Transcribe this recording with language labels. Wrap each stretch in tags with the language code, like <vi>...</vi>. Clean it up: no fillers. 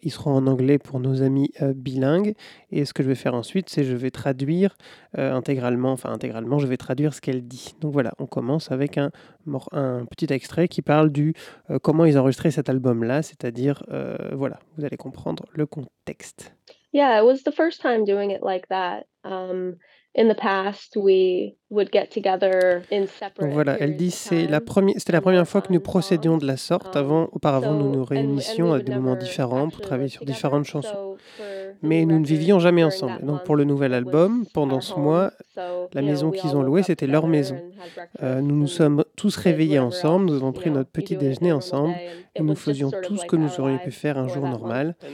<fr>Ils seront en anglais pour nos amis bilingues. Et ce que je vais faire ensuite, c'est je vais traduire intégralement, je vais traduire ce qu'elle dit. Donc voilà, on commence avec un petit extrait qui parle du comment ils ont enregistré cet album-là. C'est-à-dire, voilà, vous allez comprendre le contexte.</fr> <en>Yeah, it was the first time doing it like that. In the past, we would get together in separate.</en> <fr>Donc voilà, elle dit c'était la première fois que nous procédions de la sorte. Auparavant, nous nous réunissions à des moments différents pour travailler sur différentes chansons, mais nous ne vivions jamais ensemble. Donc pour le nouvel album, pendant ce mois, la maison qu'ils ont louée, c'était leur maison. Nous nous sommes tous réveillés ensemble, nous avons pris notre petit déjeuner ensemble et nous faisions tout ce que nous aurions pu faire un jour normal.</fr>